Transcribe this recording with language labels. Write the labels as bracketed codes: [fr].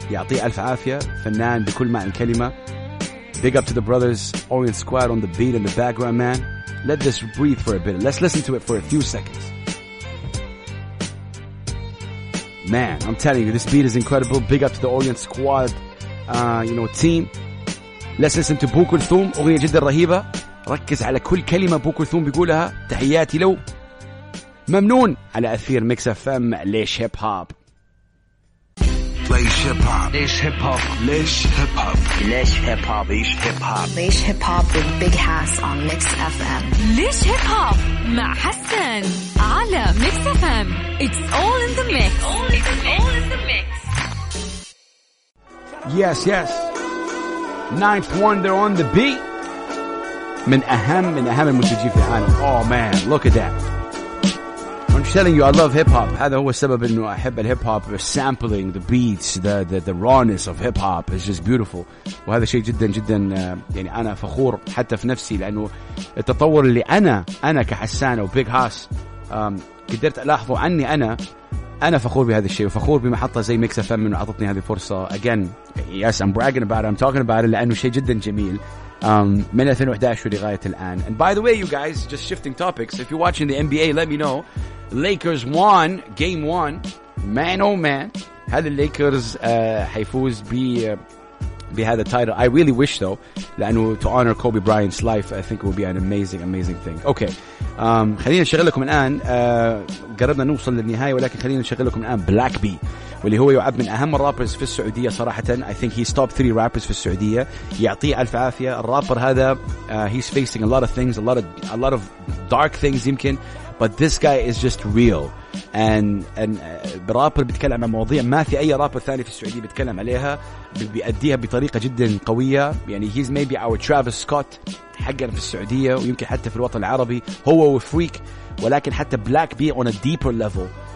[ar] يعطيه ألف عافية, فنان بكل معنى الكلمة. [en] Big up to the brothers, Orient Squad on the beat in the background, man. Let this breathe for a bit. Let's listen to it for a few seconds. Man, I'm telling you, this beat is incredible. Big up to the Orient Squad, you know, team. Let's listen to [ar] بو كلثوم, أغنية جدا رهيبة. ركز على كل كلمة بو كلثوم بيقولها. تحياتي لو ممنون على أثير Mix FM. ليش هيب هوب. [en] Laish Hip Hop. Laish Hip Hop. Laish Hip Hop. Laish Hip Hop. Laish Hip Hop. Laish Hip Hop with Big Hass on Mix FM. [ar] Laish Hip Hop. مع حسن على Mix FM. [en] It's all in the mix. All in the mix. Yes, yes. Ninth Wonder on the beat. [ar] من أهم المنتجين في العالم. [en] Oh man, look at that. I'm telling you, I love hip hop. [ar] هذا هو السبب إنه أحب الهيب هوب. [en] Sampling the beats, the rawness of hip hop is just beautiful. [ar] وهذا شيء جدا جدا يعني أنا فخور حتى في نفسي, لأنه التطور اللي أنا كحسان أو بيج هاس قدرت ألاحظه عني, أنا فخور بهذا الشيء, وفخور بمحطة زي Mix FM إنه عطتني هذه الفرصة. [en] Again, yes, I'm bragging about it. I'm talking about it [ar] لأنه شيء جدا جميل. من 2011 لغاية الآن. [en] And by the way, you guys, just shifting topics, if you're watching the NBA, let me know. Lakers won game one. Man oh man, [ar] هل [en] Lakers [ar] حيفوز بهذا [en] title? I really wish though, [ar] لأنه [en] to honor Kobe Bryant's life, I think it would be an amazing, amazing thing. Okay, [ar] خلينا نشغل لكم الآن, قربنا نوصل للنهاية, ولكن خلينا نشغل لكم الآن Black B, واللي هو يعد من أهم الرابرز في السعودية صراحة. [en] I think he's top 3 rappers [ar] في السعودية. يعطيه ألف عافية. الرابر هذا [en] he's facing a lot of things, a lot of dark things [ar] يمكن, [en] but this guy is just real. [ar] And رابر بيتكلم عن مواضيع ما في أي رابر ثاني في السعودية بيتكلم عليها, بيأديها بطريقة جدا قوية. يعني [en] he's maybe our [ar] Travis Scott حقنا في السعودية, ويمكن حتى في الوطن العربي, هو وفريك. ولكن حتى Black B [en] on a deeper level,